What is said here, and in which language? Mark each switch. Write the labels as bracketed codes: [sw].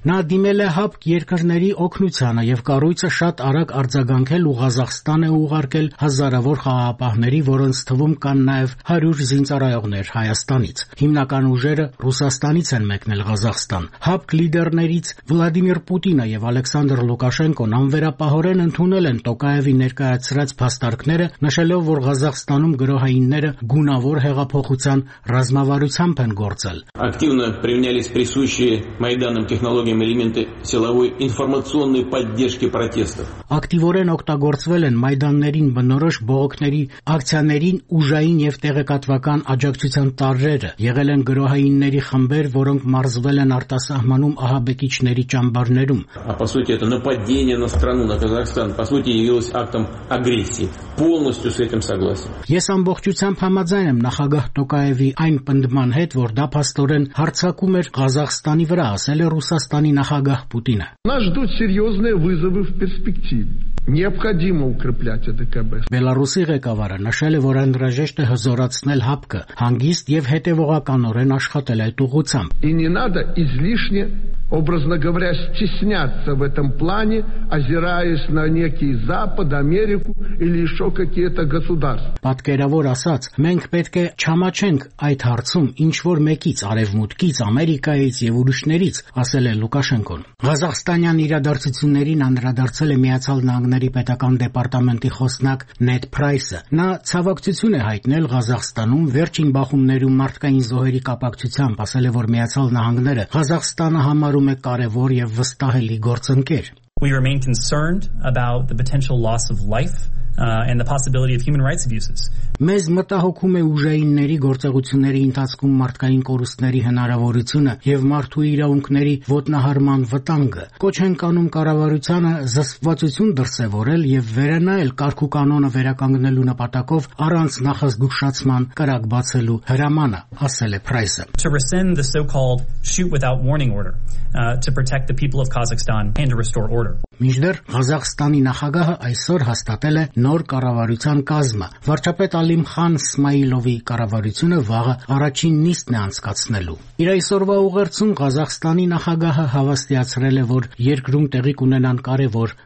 [hy] Նա դիմել է ՀԱՊԿ երկրների օգնությանը և կառույցը շատ արագ արձագանքել ու Ղազախստանը ուղարկել հազարավոր խաղապահների, որոնց թվում կան նաև 100 զինծառայողներ Հայաստանից։ Հիմնական ուժերը Ռուսաստանից են մեկնել Ղազախստան։ ՀԱՊԿ լիդերներից Վլադիմիր Պուտինը եւ Ալեքսանդր Լուկաշենկոն անվերապահորեն ընդունել են Տոկաևի ներկայացրած փաստարկները, նշելով, որ Ղազախստանում գրոհայինները գունավոր հեղափոխության ռազմավարությամբ են գործել։ [ru] Ակտիվно применялись присущие Майданным технологиям элементы силовой информационной поддержки протестов։ [hy] Ակտիվորեն օգտագործվել են Майданներին բնորոշ բողոքների ակցիաներին ուժային եւ տեղեկատվական աջակցության տարրերը, եղել են գրոհայինների խմբեր, որոնք մարզվել են արտասահմանում ահաբեկիչների ճամբարներում։ [ru] А по сути это нападение на страну, на Казахстан, по сути явилось актом агрессии. Полностью с этим согласен. [hy] Ես ամբողջությամբ համաձայն եմ նախագահ Տոկաևի այն պնդման հետ, որ դա փաստորեն հարձակում էր Ղազախստանի վրա, ասել է Ռուսաստանի նախագահ Պուտինը։ [ru] Нас ждут серьёзные вызовы в перспективе. Необходимо укреплять ОДКБ. [hy] Բելարուսի ղեկավարը նշել է, որ անհրաժեշտ է հզորացնել ՀԱՊԿ-ը, հանգիստ եւ հետևողականորեն աշխատել այդ ուղղությամբ։ [ru] Образно говоря, стесняться в этом плане, озираясь на некий Запад, Америку или еще какие-то государства. [hy] Պատկերավոր ասած, մենք պետք է չամաչենք այդ հարցում, ինչ որ մեկից, արևմուտքից, Ամերիկայից եւ ուրիշներից, ասել է Լուկաշենկոն։ Ղազախստանյան իրադարձություններին անդրադարձել է Միացյալ Նահանգների պետական դեպարտամենտի խոսնակ Նեդ Փրայսը։ Նա ցավակցություն է հայտնել Ղազախստանում վերջին բախումներում մարդկային զոհերի կապակցությամբ, ասել է, որ Միացյալ Նահանգները Ղազախստանը համարում է կարևոր եւ վստահելի գործընկեր։ [en] We remain concerned about the potential loss of life and the possibility of human rights abuses. [hy] Մեզ մտահոգում է ուժայինների գործողությունների ընթացքում մարդկային կորուստների հնարավորությունը եւ մարդու իրավունքների ոտնահարման վտանգը։ Կոչ են կանում կառավարությանը զսպվածություն դրսեւորել եւ վերանայել կարգու կանոնը վերականգնելու նպատակով առանց նախազգուշացման կրակ բացելու հրամանը, ասել է Price. [en] To rescind the so-called shoot without warning order to protect the people of Kazakhstan and to restore order. [hy] Մինչդեռ Ղազախստանի նախագահը այսօր հաստատել է նոր կառավարության կազմը։ Վարչապետ Ալիմ Խան Սմայլովի կառավարությունը վաղը առաջին նիստն է անցկացնելու։ Իր այսօրվա ուղերձում Ղազախստանի նախագահը հավաստիացրել է, որ երկրում տեղի կունենան կարևոր